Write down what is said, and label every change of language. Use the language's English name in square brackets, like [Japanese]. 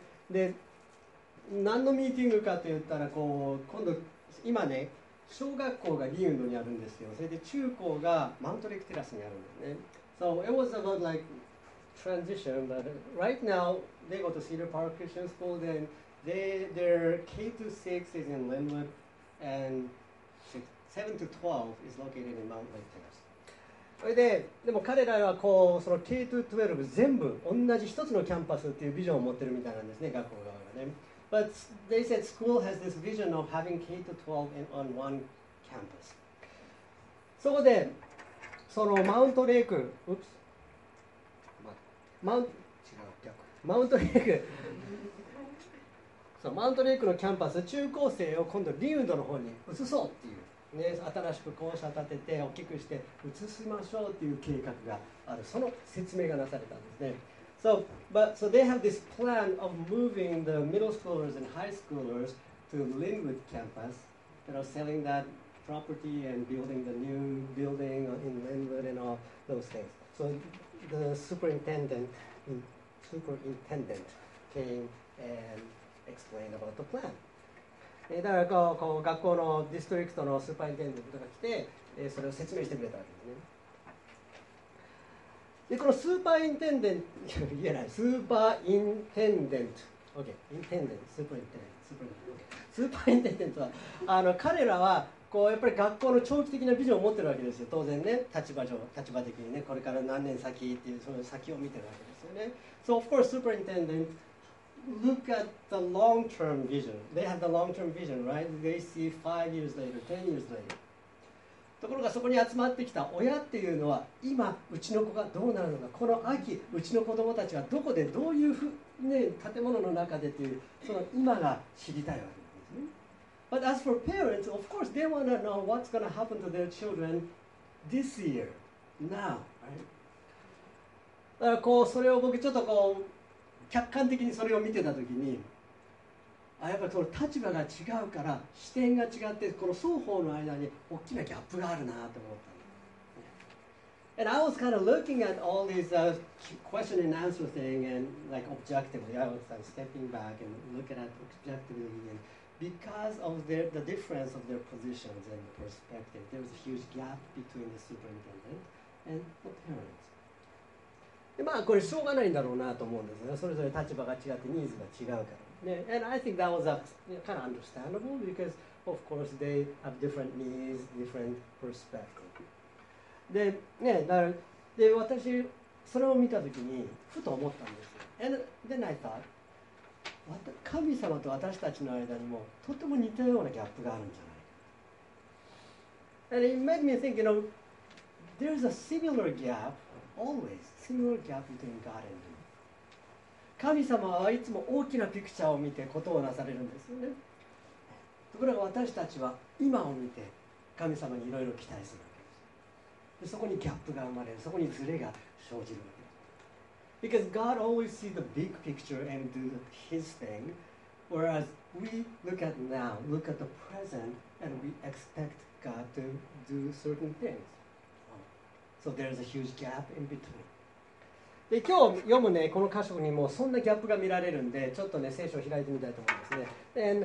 [Japanese] で、何のミーティングかと言ったら、こう今度今ね、小学校がリウンドにあるんですよ。それで中高がマウントレックテラスにあるんだよね。 [English] So it was about like transition, but right now they go to Cedar Park Christian School, then their K to 6 is in Linwood, and 7 to 12 is located in Mount Lake Terrace. [Japanese] それで、でも彼らはこうその K to 12全部同じ一つのキャンパスっていうビジョンを持ってるみたいなんですね、学校側がね。 [English] But they said school has this vision of having K to 12 on one campus. [Japanese] そこで、そのマウントレイク、Oops. マウントレイク。そう、マウントレイクのキャンパス、中高生を今度リウンドの方に移そうっていう、ね、新しく校舎建てて大きくして移しましょうっていう計画がある、その説明がなされたんですね。 [English] So, but, so they have this plan of moving the middle schoolers and high schoolers to Linwood campus. They are selling that property and building the new building in Linwood and all those things. So the superintendent came andExplain about the plan. [Japanese] だからこう学校のディストリクトのスーパーインテンデントが来て、それを説明してくれたわけですね。で、このスーパーインテンデント、言えない、スーパーインテンデント、OK、インテンデント、スーパーインテンデント、スーパーインテンデント、スーパーインテンデントは、彼らはこうやっぱり学校の長期的なビジョンを持ってるわけですよ、当然ね、立場的にね、これから何年先っていう、その先を見てるわけですよね。 [English] So, of course, superintendentLook at the long-term vision. They have the long-term vision, right? They see 5 years later, 10 years later. [Japanese] ところがそこに集まってきた親っていうのは、今うちの子がどうなるのか、この秋うちの子供たちはどこでどういうふうね、建物の中でっていう、その今が知りたいわけですね。 [English] But as for parents, of course they want to know what's going to happen to their children this year, now, right? [Japanese] だからこうそれを僕ちょっとこう客観的にそれを見てたときに、あ、やっぱりその立場が違うから視点が違って、この双方の間に大きなギャップがあるなと思った。 [English] And I was kind of looking at all these question and answer thing and like objectively, I was like stepping back and looking at objectively and because of the difference of their positions and perspective, there was a huge gap between the superintendent and the parents. [Japanese] まあこれしょうがないんだろうなと思うんですね。それぞれ立場が違ってニーズが違うから。ね、 [English] and I think that was a kind of understandable because of course they have different needs, different perspective. [Japanese] で、ね、だから、で、私それを見たときにふと思ったんですよ。 [English] And then I thought, [Japanese] 神様と私たちの間にもとても似たようなギャップがあるんじゃないか。 [English] And it made me think, you know, there's a similar gap. Always similar gap between God and me. [Japanese] 神様はいつも大きなピクチャーを見てことをなされるんですよね。ところが私たちは今を見て神様にいろいろ期待するわけです。で、そこにギャップが生まれる、そこにズレが生じるわけです。 [English] Because God always sees the big picture and do His thing, whereas we look at now, look at the present, and we expect God to do certain things. So there's a huge gap in between. [Japanese] で、今日読むね、この箇所にもそんなギャップが見られるんで、ちょっとね、聖書を開いてみたいと思いますね。